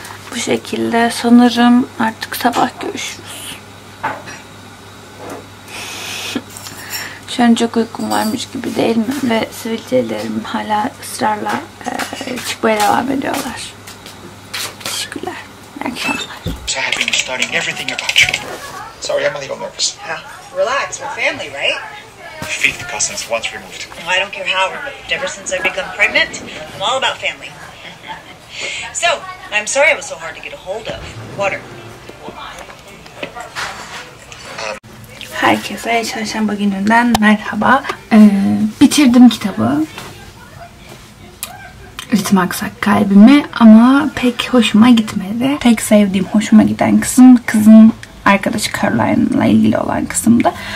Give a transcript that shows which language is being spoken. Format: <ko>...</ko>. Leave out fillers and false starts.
<tr>Bu şekilde sanırım artık sabah görüşürüz. Şu an çok uykum varmış gibi değil mi? Ve sivilcelerim hala ısrarla çıkmaya devam ediyorlar. Teşekkürler. İyi akşamlar.</tr> <en>So I have been starting everything about you. Sorry, I'm a little nervous. Yeah. Relax, we're family, right? I think the cousins once removed. Well, I don't care how removed. Ever since I've become pregnant, I'm all about family. So, I'm sorry I was so hard to get a hold of. Water.</en> <tr>Herkese Çarşamba gününden merhaba. Bitirdim kitabı. Ritim aksak kalbimi ama pek hoşuma gitmedi. Tek sevdiğim, hoşuma giden kısım kızın arkadaşı Caroline'la ilgili olan kısımdı.</tr>